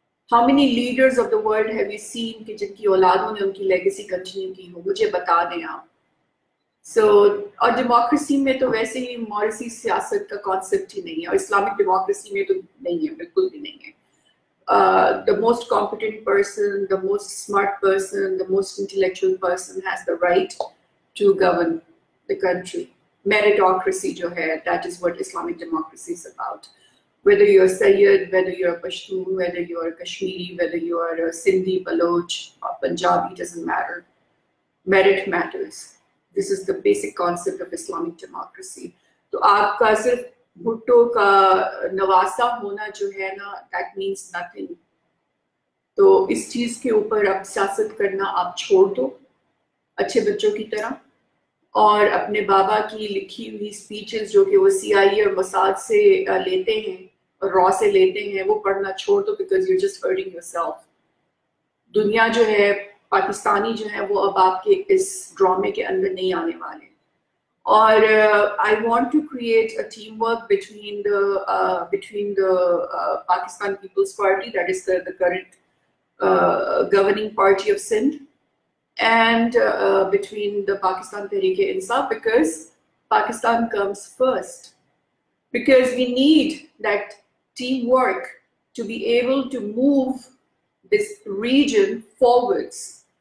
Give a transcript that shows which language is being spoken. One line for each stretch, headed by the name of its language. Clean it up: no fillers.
English: How many leaders of the world have you seen
Urdu: کہ جن کی اولادوں نے ان کی لیگیسی کنٹینیو کی ہو؟ مجھے بتا دیں آپ. سو اور ڈیموکریسی میں تو ویسے ہی مورسی سیاست کا کانسیپٹ ہی نہیں ہے, اور اسلامک ڈیموکریسی میں تو نہیں ہے, بالکل بھی نہیں ہے.
English: The most competent person, the most smart person, the most intellectual person has the right to govern the country. Meritocracy جو ہے, that is what Islamic democracy is about. whether you're Sayyid, whether you're Pashtun, whether you're Kashmiri, whether you're Sindhi, Baloch, or Punjabi, doesn't matter. Merit matters. This is the basic concept of Islamic democracy.
Urdu: So aapka sirf Bhutto ka nawasa hona jo hai na,
English: that means nothing.
Urdu: تو اس چیز کے اوپر اب سیاست کرنا آپ چھوڑ دو اچھے بچوں کی طرح, اور اپنے بابا کی لکھی ہوئی سپیچز جو کہ وہ سی آئی اے اور مساد سے لیتے ہیں اور را سے لیتے ہیں وہ پڑھنا چھوڑ دو,
English: Because you just hurting yourself.
Urdu: دنیا جو ہے پاکستانی جو ہے وہ اب آپ کے اس ڈرامے کے اندر نہیں آنے والے.
English: اور I want to create a team work between the Pakistan Peoples Party, that is the current governing party of Sindh, and between the Pakistan Tehreek-e-Insaf, because Pakistan comes first, because we need that teamwork to be able to move this region forwards.